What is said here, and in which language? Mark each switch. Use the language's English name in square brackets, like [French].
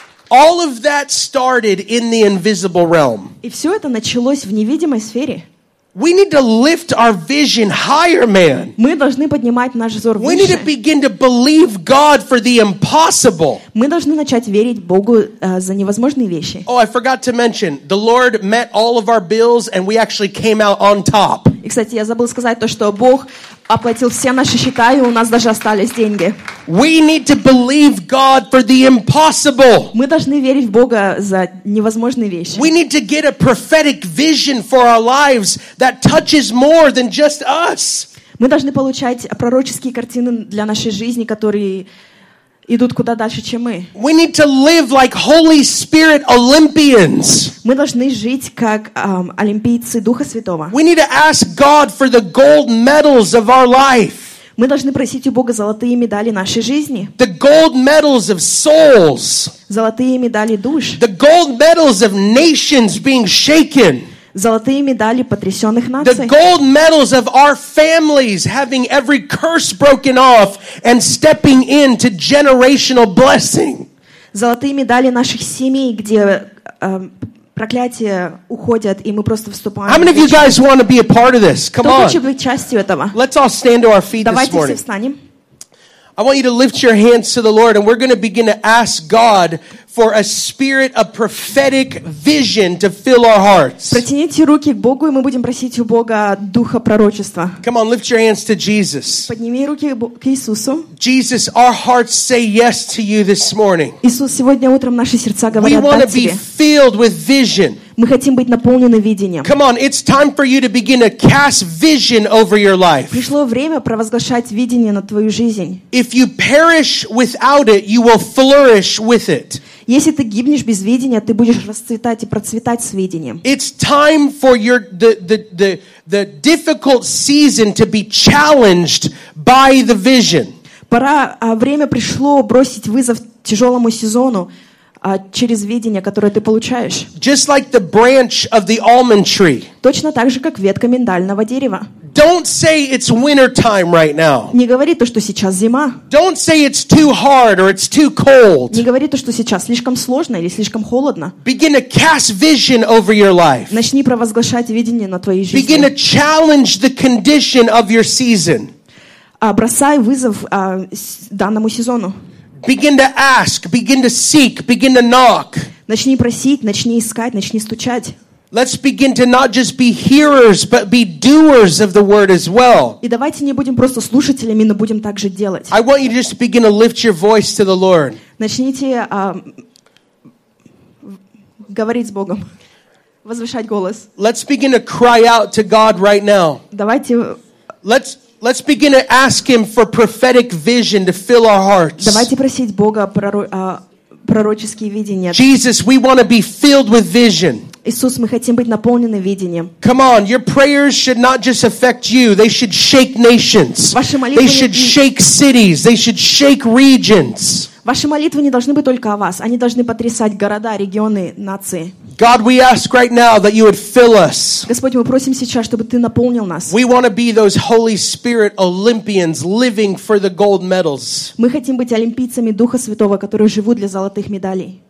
[English] All of that started in the invisible realm. [Russian] И все это началось в невидимой сфере. [English] We need to lift our vision higher, man. [Russian] Ми должны поднимать наш взор выше. [English] We need to begin to believe God for the impossible. [Russian] Ми должны начать верить Богу за невозможные вещи. [English] Oh, I forgot to mention, the Lord met all of our bills and we actually came out on top. [Russian] И, кстати, я забыл сказать то, что Бог оплатил все наши счета, и у нас даже остались деньги. [English] We need to believe God for the impossible. [Russian] Мы должны верить в Бога за невозможные вещи. [English] We need to get a prophetic vision for our lives that touches more than just us. [Russian] Мы должны получать пророческие картины для нашей жизни, которые идут куда дальше, чем мы. [English] We need to live like Holy Spirit Olympians. [Russian] Мы должны жить как олимпийцы Духа Святого. [English] We need to ask God for the gold medals of our life. [Russian] Мы должны просить у Бога золотые медали нашей жизни. [English] The gold medals of souls. [Russian] Золотые медали душ. [English] The gold medals of nations being shaken. [Russian] Золотые медали потрясенных наций. [English] The gold medals of our families having every curse broken off and stepping into generational blessing. [Russian] Золотые медали наших семей, где проклятия уходят, и мы просто вступаем. [English] How many of you guys want to be a part of this? Come on. [Russian] Кто хочет быть частью этого? [English] Let's all stand to our feet this morning. [Russian] Давайте все встанем. [English] I want you to lift your hands to the Lord and we're going to begin to ask God for a spirit of prophetic vision to fill our hearts. [Russian] Протяните руки к Богу, и мы будем просить у Бога духа пророчества. [English] Come on, lift your hands to Jesus. [Russian] Подними руки к Иисусу. [English] Jesus, our hearts say yes to you this morning. [Russian] Иисус, сегодня утром наши сердца говорят да тебе. [English] We want to be filled with vision. [Russian] Мы хотим быть наполнены видением. [English] Come on, it's time for you to begin to cast vision over your life. [Russian] Пришло время провозглашать видение на твою жизнь. [English] If you perish without it, you will flourish with it. [Russian] Если ты гибнешь без видения, ты будешь расцветать и процветать с видением. [English] It's time for your the difficult season to be challenged by the vision. [Russian] Пора, время пришло бросить вызов тяжелому сезону. Через видение, которое ты получаешь. [English] Just like the branch of the almond tree. [Russian] Точно так же, как ветка миндального дерева. [English] Don't say it's winter time right now. [Russian] Не говори то, что сейчас зима. [English] Don't say it's too hard or it's too cold. [Russian] Не говори то, что сейчас слишком сложно или слишком холодно. [English] Begin to cast vision over your life. [Russian] Начни провозглашать видение на твоей жизни. [English] Begin to challenge the condition of your season. [Russian] Бросай вызов данному сезону. [English] Begin to ask, begin to seek, begin to knock. [Russian] Начни просить, начни искать, начни стучать. [English] Let's begin to not just be hearers, but be doers of the word as well. [Russian] И давайте не будем просто слушателями, но будем также делать. [English] I want you to just begin to lift your voice to the Lord. [Russian] Начните говорить с Богом. Возвышать голос. [English] Let's begin to cry out to God right now. [Russian] Давайте [English] Let's begin to ask Him for prophetic vision to fill our hearts. [Russian] Давайте просить Бога пророческие видения. [English] Jesus, we want to be filled with vision. [Russian] Иисус, мы хотим быть наполнены видением. [English] Come on, your prayers should not just affect you; they should shake nations. [Russian] Ваши молитвы [English] They should shake cities. They should shake regions. [Russian] Ваши молитвы не должны быть только о вас; они должны потрясать города, регионы, нации. [English] God, we ask right now that you would fill us. [Russian] Господь, мы просим сейчас, чтобы ты наполнил нас. [English] We want to be those Holy Spirit Olympians living for the gold medals. [Russian] Мы хотим быть олимпийцами Духа Святого, которые живут для золотых медалей.